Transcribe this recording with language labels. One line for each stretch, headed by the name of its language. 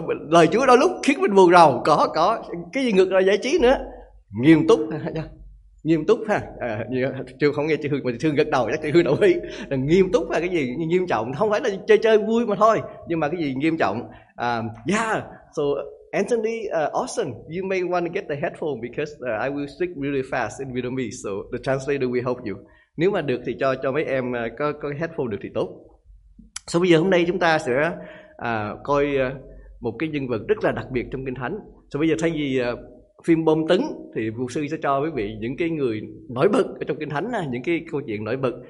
Vietnamese: Lời Chúa đôi lúc khiến mình buồn rầu, có cái gì ngược lại giải trí nữa? Nghiêm túc ha. Nghiêm túc ha, Trương không nghe chị Hương mà chị Hương gật đầu, chắc chị Hương đồng ý. Nghiêm túc là cái gì nghiêm trọng, không phải là chơi chơi vui mà thôi, nhưng mà cái gì nghiêm trọng.
English: So Anthony Austin, you may want to get the headphone because I will speak really fast in Vietnamese, so the translator will help you.
Vietnamese: Nếu mà được thì cho mấy em có headphone được thì tốt. So bây giờ hôm nay chúng ta sẽ coi một cái nhân vật rất là đặc biệt trong Kinh Thánh. So bây giờ thay vì phim bom tấn thì mục sư sẽ cho quý vị những cái người nổi bật ở trong Kinh Thánh, những cái câu chuyện nổi bật.